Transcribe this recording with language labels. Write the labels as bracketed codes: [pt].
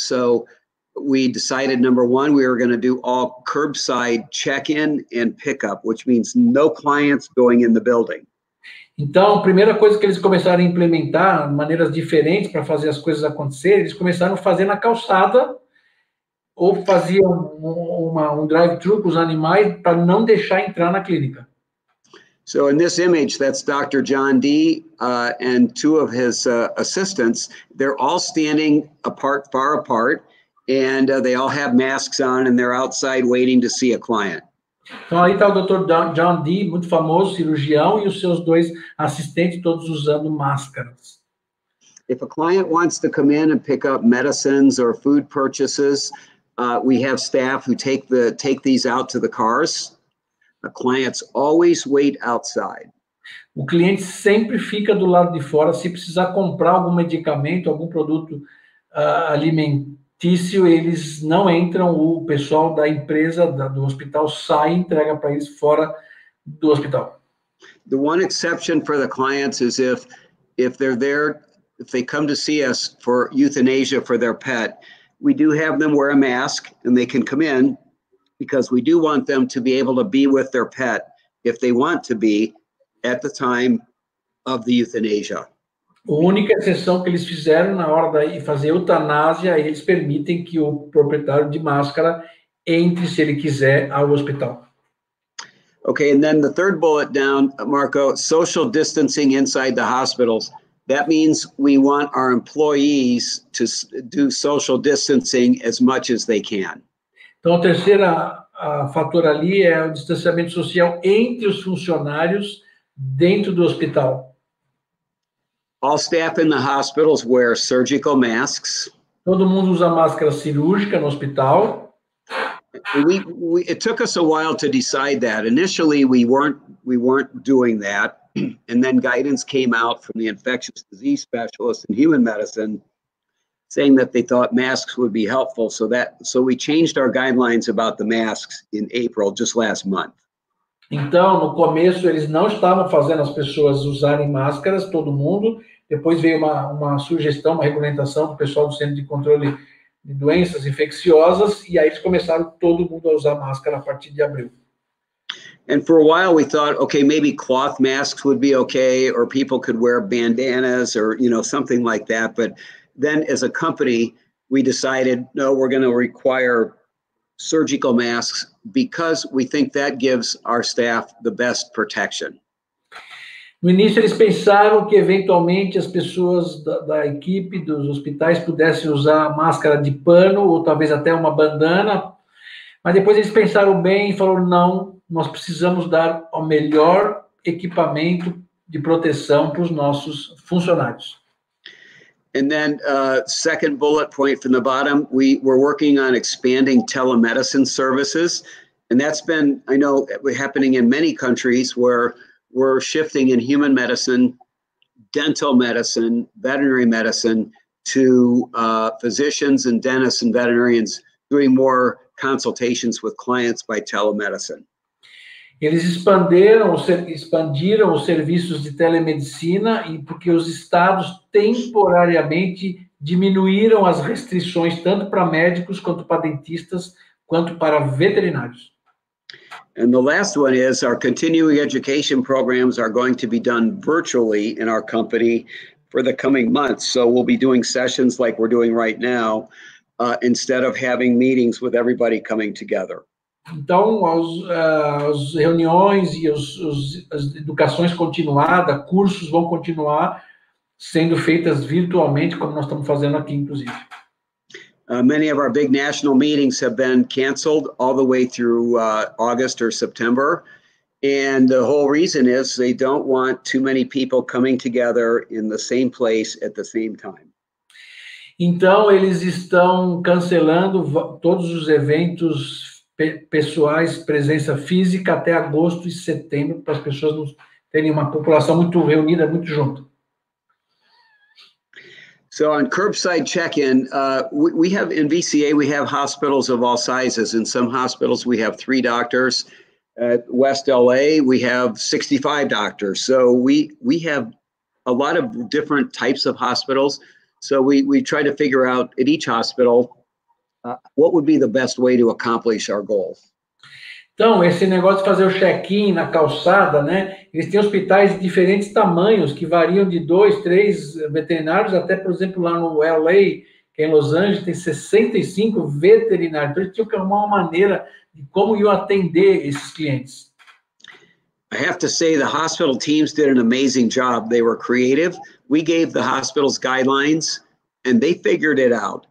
[en] So we decided, number one, we were going to do all curbside check-in and pick-up, which means no clients going in the building. [pt] Então, a primeira coisa que eles começaram a implementar, maneiras diferentes para fazer as coisas acontecer, eles começaram a fazer na calçada, ou faziam um drive-thru com os animais para não deixar entrar na clínica. [en] So in this image, that's Dr. John D. And two of his assistants. They're all standing apart, far apart, and they all have masks on, and they're outside waiting to see a client. [pt] Então, aí está o Dr. John D., muito famoso cirurgião, e os seus dois assistentes todos usando máscaras. [en] If a client wants to come in and pick up medicines or food purchases, we have staff who take these out to the cars. The clients always wait outside. [pt] O cliente sempre fica do lado de fora. Se precisar comprar algum medicamento, algum produto alimentício, eles não entram. O pessoal da empresa, do hospital, sai e entrega para eles fora do hospital. [en] The one exception for the clients is if they're there, if they come to see us for euthanasia for their pet, we do have them wear a mask and they can come in. Because we do want them to be able to be with their pet if they want to be at the time of the euthanasia. [pt] A única exceção que eles fizeram na hora de fazer eutanásia, eles permitem que o proprietário de máscara entre, se ele quiser, ao hospital. [en] Okay, and then the third bullet down, Marco, social distancing inside the hospitals. That means we want our employees to do social distancing as much as they can. [pt] Então, a terceira fator ali é o distanciamento social entre os funcionários dentro do hospital. [en] All staff in the hospitals wear surgical masks. [pt] Todo mundo usa máscara cirúrgica no hospital. [en] It took us a while to decide that. Initially, we weren't doing that. And then guidance came out from the infectious disease specialist in human medicine, saying that they thought masks would be helpful, so we changed our guidelines about the masks in April, just last month. [pt] Então, no começo, eles não estavam fazendo as pessoas usarem máscaras, todo mundo. Depois veio uma sugestão, uma regulamentação do pessoal do Centro de Controle de Doenças Infecciosas, e aí eles começaram todo mundo a usar máscara a partir de abril. [en] And for a while, we thought, okay, maybe cloth masks would be okay, or people could wear bandanas, or, you know, something like that, but... Then, as a company, we decided, no, we're going to require surgical masks because we think that gives our staff the best protection. [pt] No início, eles pensaram que, eventualmente, as pessoas da equipe dos hospitais pudessem usar máscara de pano ou talvez até uma bandana. Mas depois eles pensaram bem e falaram, não, nós precisamos dar o melhor equipamento de proteção para os nossos funcionários. [en] And then second bullet point from the bottom, we're working on expanding telemedicine services. And that's been, I know, happening in many countries where we're shifting in human medicine, dental medicine, veterinary medicine to physicians and dentists and veterinarians doing more consultations with clients by telemedicine. [pt] Eles expandiram os serviços de telemedicina e porque os estados temporariamente diminuíram as restrições tanto para médicos quanto para dentistas quanto para veterinários. [en] And the last one is our continuing education programs are going to be done virtually in our company for the coming months. So we'll be doing sessions like we're doing right now, instead of having meetings with everybody coming together. [pt] Então, as reuniões e as educações continuadas, cursos vão continuar sendo feitas virtualmente, como nós estamos fazendo aqui, inclusive. [en] Many of our big national meetings have been canceled all the way through August or September. And the whole reason is they don't want too many people coming together in the same place at the same time. [pt] Então, eles estão cancelando todos os eventos pessoais, presença física, até agosto e setembro, para as pessoas não terem uma população muito reunida, muito junto. [en] So, on curbside check-in, we have, in VCA, we have hospitals of all sizes. In some hospitals, we have 3 doctors. At West LA, we have 65 doctors. So, we have a lot of different types of hospitals. So, we try to figure out, at each hospital, what would be the best way to accomplish our goals. [pt] Então, esse negócio de fazer o check-in na calçada, né? Eles têm hospitais de diferentes tamanhos, que variam de 2-3 veterinários, até, por exemplo, lá no LA, que é em Los Angeles, tem 65 veterinários. Então, eles tinham que arrumar uma maneira de como iam atender esses clientes. [en] I have to say, the hospital teams did an amazing job. They were creative. We gave the hospitals guidelines, and they figured it out.